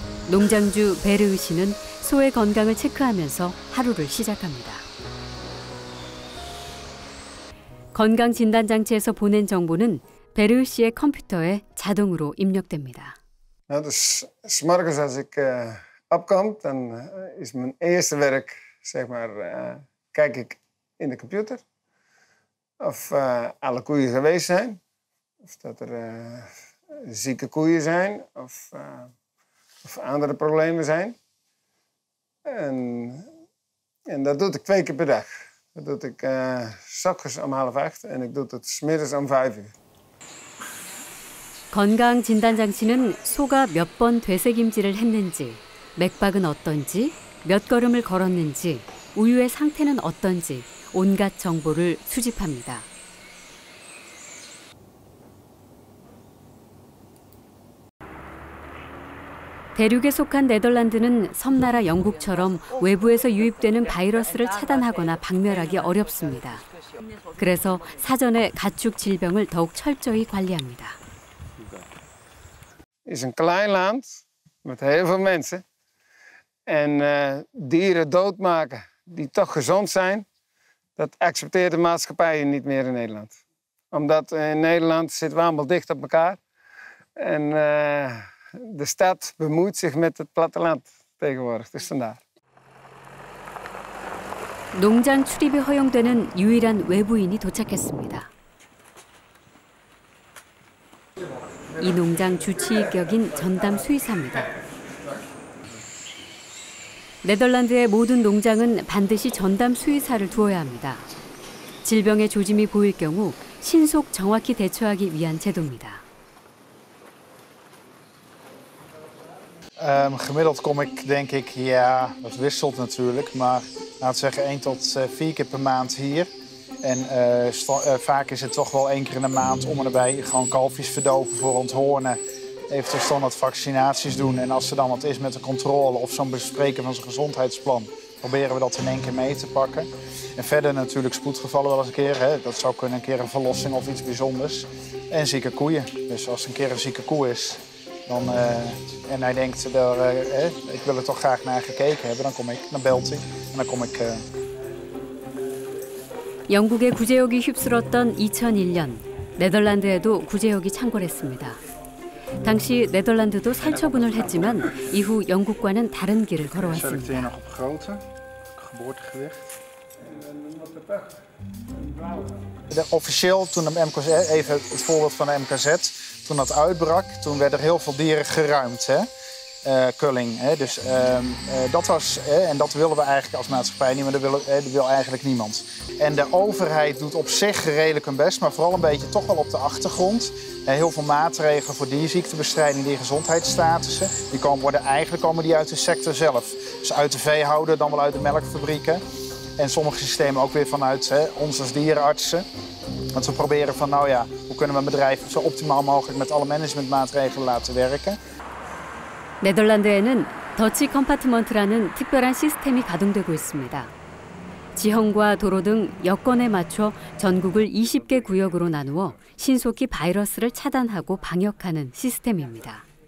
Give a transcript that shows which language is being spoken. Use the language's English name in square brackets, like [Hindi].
[Korean] 농장주 베르 씨는 소의 건강을 체크하면서 하루를 시작합니다. 건강 진단 장치에서 보낸 정보는 베르 씨의 컴퓨터에 자동으로 입력됩니다. [Dutch] Het is morgens als ik opkom, dan is mijn eerste werk zeg maar kijk ik in de computer. Of alle koeien geweest zijn, of dat er zieke koeien zijn, of andere problemen zijn. En dat doe ik 2 keer per dag. Dat doe ik 'sochtends om 7:30 en ik doe het 'smiddags om 5:00. [Korean] 건강 진단 장치는 소가 몇 번 되새김질을 했는지, 맥박은 어떤지, 몇 걸음을 걸었는지, 우유의 상태는 어떤지 온갖 정보를 수집합니다. 대륙에 속한 네덜란드는 섬나라 영국처럼 외부에서 유입되는 바이러스를 차단하거나 박멸하기 어렵습니다. 그래서 사전에 가축 질병을 더욱 철저히 관리합니다. [Dutch] It's a klein land met heel veel mensen. En dieren doodmaken die toch gezond zijn, dat accepteert de maatschappij niet meer in Nederland. Omdat in Nederland zit we allemaal dicht op elkaar. En de stad bemoeit zich met het platteland tegenwoordig. Dus vandaar. [Korean] 농장 출입이 허용되는 유일한 외부인이 도착했습니다. 이 농장 주치의격인 전담 수의사입니다. 네덜란드의 모든 농장은 반드시 전담 수의사를 두어야 합니다. 질병의 조짐이 보일 경우 신속 정확히 대처하기 위한 제도입니다. [Dutch] Gemiddeld kom ik denk ik, ja, het wisselt natuurlijk, maar laat zeggen 1 tot 4 keer per maand hier. En vaak is het toch wel 1 keer in de maand om erbij gewoon kalfjes verdoven voor onthoornen. Eventueel standaard vaccinaties doen. En als er dan wat is met de controle of zo'n bespreken van zijn gezondheidsplan, proberen we dat in 1 keer mee te pakken. En verder natuurlijk spoedgevallen wel eens een keer. Hè. Dat zou kunnen een keer een verlossing of iets bijzonders. En zieke koeien. Dus als er een keer een zieke koe is, dan, en hij denkt, daar, ik wil er toch graag naar gekeken hebben, dan kom ik, dan belt hij en dan kom ik. [Korean] 영국의 구제역이 휩쓸었던 2001년, 네덜란드에도 구제역이 창궐했습니다. 당시 네덜란드도 살처분을 했지만 이후 영국과는 다른 길을 걸어왔습니다. [Dutch] 네, officieel toen de MKZ, even het voorbeeld van de MKZ, toen dat uitbrak, toen werden er heel veel dieren geruimd, hè? Culling. Hè? Dus dat was, en dat willen we eigenlijk als maatschappij niet, maar dat wil eigenlijk niemand. En de overheid doet op zich redelijk hun best, maar vooral een beetje toch wel op de achtergrond. Heel veel maatregelen voor dierziektebestrijding, die gezondheidsstatussen, die komen, worden eigenlijk komen die uit de sector zelf. Dus uit de veehouder, dan wel uit de melkfabrieken. En sommige systemen ook weer vanuit ons als dierenartsen. Want we proberen van, nou ja, hoe kunnen we een bedrijf zo optimaal mogelijk met alle managementmaatregelen laten werken. [Korean] 네덜란드에는 더치 컴파트먼트라는 특별한 시스템이 가동되고 있습니다. 지형과 도로 등 여건에 맞춰 전국을 20개 구역으로 나누어 신속히 바이러스를 차단하고 방역하는 시스템입니다.